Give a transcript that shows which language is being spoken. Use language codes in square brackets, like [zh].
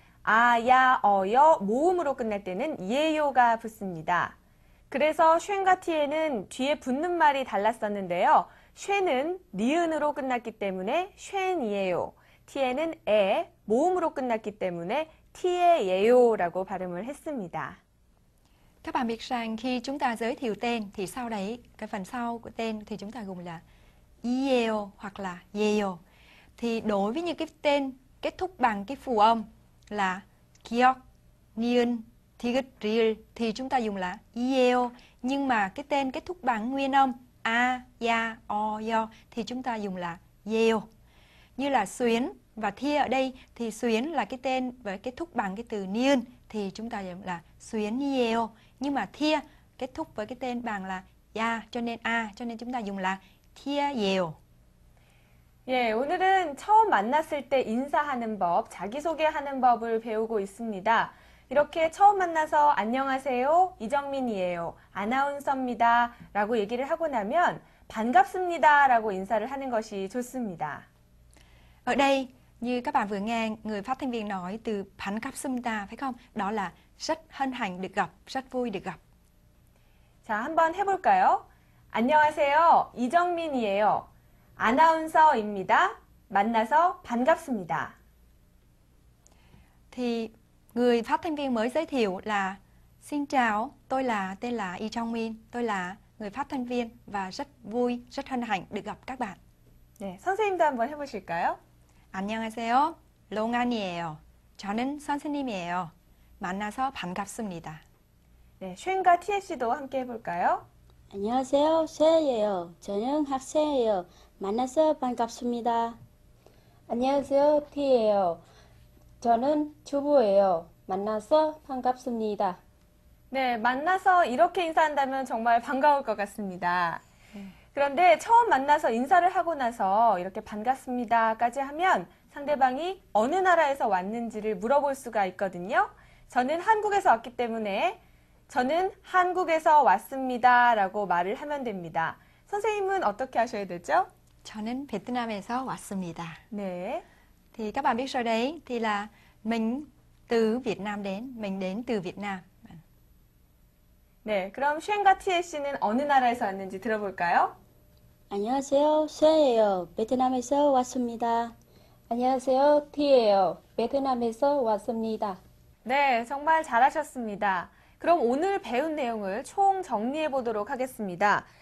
[ko] 아, 야, 어, 여, 모음으로 끝날 때는 예요가 붙습니다. 그래서 쉔과 티에는 뒤에 붙는 말이 달랐었는데요. 쉔은 니은으로 끝났기 때문에 쉔이에요. 티에는 에, 모음으로 끝났기 때문에 티에예요라고 발음을 했습니다. [vi] Các bạn biết rằng khi chúng ta giới thiệu tên thì sau đấy cái phần sau của tên thì chúng ta gồm là 이에요 hoặc là 예요. Thì đối với những cái tên kết thúc bằng cái phụ âm là 기억, 니은, 디귿, 리을 thì chúng ta dùng là 이에요. Nhưng mà cái tên kết thúc bằng nguyên âm a, ya, o, yo thì chúng ta dùng là 예요. Như là 쉔 và 티 ở đây thì 쉔 là cái tên và kết thúc bằng cái từ 니은 thì chúng ta dùng là 쉔이에요. Nhưng mà 티 kết thúc với cái tên bằng là ya cho nên a cho nên chúng ta dùng là 티에요. [ko] 예, 오늘은 처음 만났을 때 인사하는 법, 자기소개하는 법을 배우고 있습니다. 이렇게 처음 만나서 안녕하세요, 이정민이에요, 아나운서입니다 라고 얘기를 하고 나면 반갑습니다 라고 인사를 하는 것이 좋습니다. [vi] Ở đây, như các bạn vừa nghe người phát thanh viên nói từ 반갑습니다, phải không? Đó là rất hân hạnh được gặp, rất vui được gặp. [ko] 자, 한번 해볼까요? 안녕하세요. 이정민이에요. 아나운서입니다. 만나서 반갑습니다. [vi] Thì người phát thanh viên mới giới thiệu là Xin chào, tôi là tên là Lee Jong Min. Tôi là người phát thanh viên và rất vui, rất hân hạnh được gặp các bạn. [ko] 네, 선생님도 한번 해보실까요? 안녕하세요. 롱안이에요. 저는 선생님이에요. 만나서 반갑습니다. 네, 쉔과 TSC도 함께 해볼까요? 안녕하세요. 쉔이에요. 저는 학생이에요. 만나서 반갑습니다. 안녕하세요. 티예요. 저는 주부예요. 만나서 반갑습니다. 네, 만나서 이렇게 인사한다면 정말 반가울 것 같습니다. 그런데 처음 만나서 인사를 하고 나서 이렇게 반갑습니다까지 하면 상대방이 어느 나라에서 왔는지를 물어볼 수가 있거든요. 저는 한국에서 왔기 때문에 저는 한국에서 왔습니다 라고 말을 하면 됩니다. 선생님은 어떻게 하셔야 되죠? 저는 베트남에서 왔습니다. 네. [vi] Thì các bạn biết rồi đấy, thì là mình từ Việt Nam đến, mình đến từ Việt Nam. [ko] 네, 그럼 쉔과 티에 씨는 어느 나라에서 왔는지 들어볼까요? 안녕하세요, 쉔이에요. 베트남에서 왔습니다. 안녕하세요, 티에요. 베트남에서 왔습니다. 네, 정말 잘하셨습니다. 그럼 오늘 배운 내용을 총 정리해 보도록 하겠습니다.